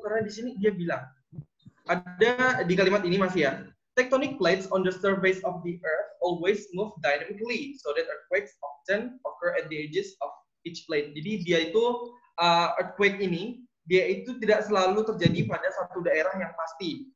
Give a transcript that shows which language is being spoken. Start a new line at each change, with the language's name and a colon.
Indonesian: Karena di sini dia bilang ada di kalimat ini masih ya.
English: Tectonic plates on the surface of the earth always move dynamically so that earthquakes often occur at the edges of each plate.
Indonesian: Jadi dia itu earthquake ini dia itu tidak selalu terjadi pada satu daerah yang pasti.